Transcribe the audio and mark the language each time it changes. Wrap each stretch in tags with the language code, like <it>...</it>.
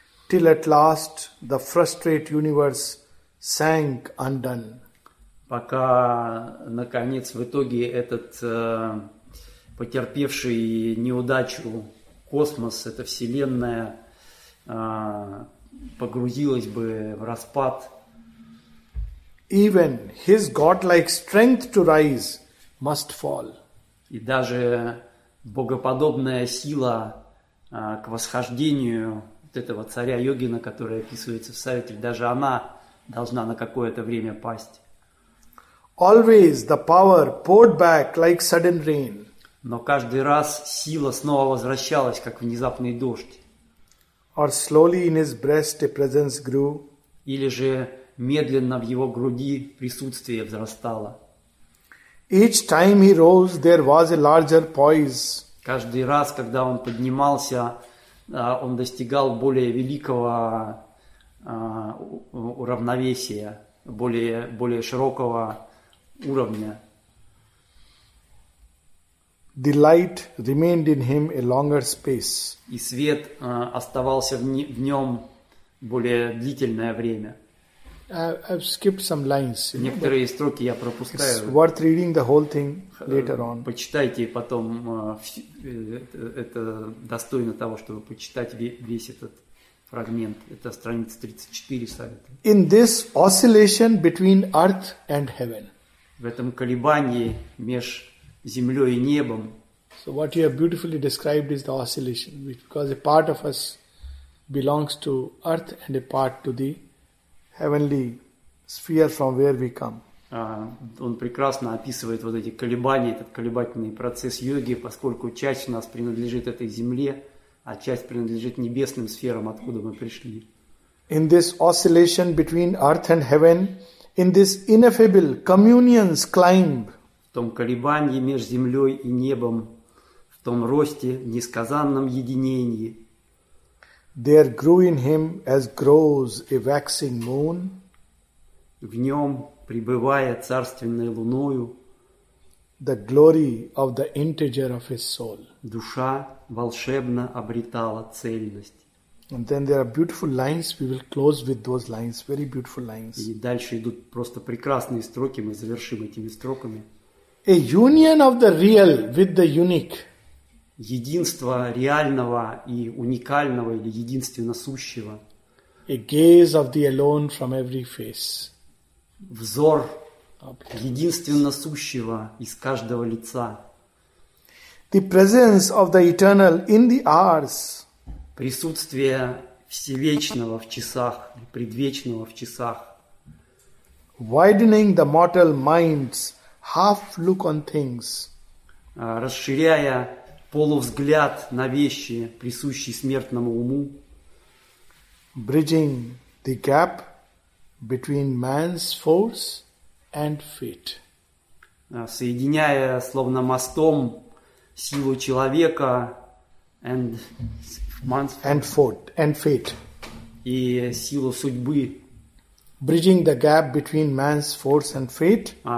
<en>Till at last the frustrated universe sank undone.</en> <ru>Пока, наконец, в итоге этот потерпевший неудачу космос, эта вселенная погрузилась бы в распад.</ru> <en>Even his godlike strength to rise must fall.</en> <ru>И даже богоподобная сила к восхождению вот этого царя йогина, который описывается в Савитри, даже она должна на какое-то время пасть.</ru> <en>Always the power poured back like sudden rain.</en> <ru>Но каждый раз сила снова возвращалась, как внезапный дождь.</ru> <en>Or slowly in his breast a presence grew.</en> <ru>Или же медленно в его груди присутствие взрастало.</ru> <en>Each time he rose, there was a larger poise.</en> <ru>Каждый раз, когда он поднимался, он достигал более великого равновесия, более широкого уровня.</ru> <en>The light remained in him a longer space.</en> <ru>И свет оставался в нем более длительное время.</ru> <en>I've skipped some lines.</en> <ru>Некоторые строки я пропускаю.</ru> <en>It's worth reading the whole thing later on.</en> <ru>Почитайте потом. Это достойно того, чтобы почитать весь этот фрагмент. Это страница 34.</ru> <en>In this oscillation between earth and heaven.</en> <ru>В этом колебании меж землей и небом.</ru> <en>So what you have beautifully described is the oscillation, because a part of us belongs to earth and a part to the heavenly sphere from where we come.</en> <ru>Он прекрасно описывает вот эти колебания, этот колебательный процесс йоги, поскольку часть нас принадлежит этой земле, а часть принадлежит небесным сферам, откуда мы пришли.</ru> <en>In this oscillation between earth and heaven, in this ineffable communion's climb.</en> <ru>В том колебании меж землей и небом, в том росте, в несказанном единении.</ru> <en>There grew in him as grows a waxing moon.</en> <ru>В нем, пребывая царственной луною,</ru> <en>the glory of the integer of his soul.</en> <ru>Душа волшебно обретала цельность.</ru> <en>And then there are beautiful lines. We will close with those lines. Very beautiful lines.</en> <ru>И дальше идут просто прекрасные строки. Мы завершим этими строками.</ru> <en>A union of the real with the unique.</en> <ru>Единство реального и уникального или единственно сущего.</ru> <en>A gaze of the alone from every face.</en> <ru>Взор единственно сущего из каждого лица.</ru> <en>The presence of the eternal in the hours.</en> <ru>Присутствие всевечного в часах, предвечного в часах.</ru> <en>Widening the mortal mind's half look on things.</en> <ru>Расширяя полувзгляд на вещи, присущий смертному уму.</ru> <en>Bridging the gap between man's force and fate.</en> <ru>Соединяя словно мостом силу человека</ru> <en>and man's force. And fate. And fate.</en> <ru>И силу судьбы.</ru> <en>Bridging the gap between man's force and fate.</en>